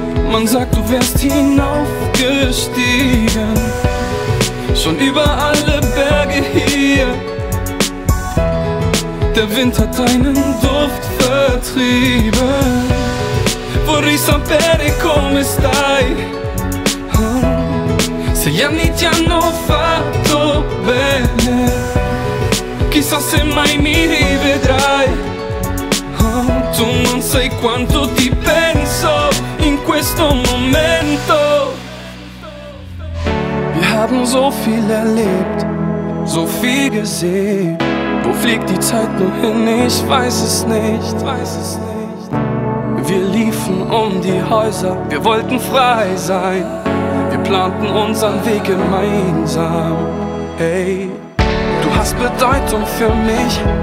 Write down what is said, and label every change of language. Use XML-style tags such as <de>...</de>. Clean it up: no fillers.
<de>Man sagt, du wärst hinaufgestiegen, schon über alle Berge hier. Der Wind hat deinen Duft vertrieben.</de> <it>Vorrei sapere come stai. Se gli anni ti hanno fatto bene, chissà se mai mi rivedrai. Tu non sai quanto ti penso in questo momento.</it> <de>Wir haben so viel erlebt, so viel gesehen. Wo fliegt die Zeit nur hin? Ich weiß es nicht, weiß es nicht. Wir liefen um die Häuser, wir wollten frei sein. Wir planten unseren Weg gemeinsam. Hey, du hast Bedeutung für mich.</de>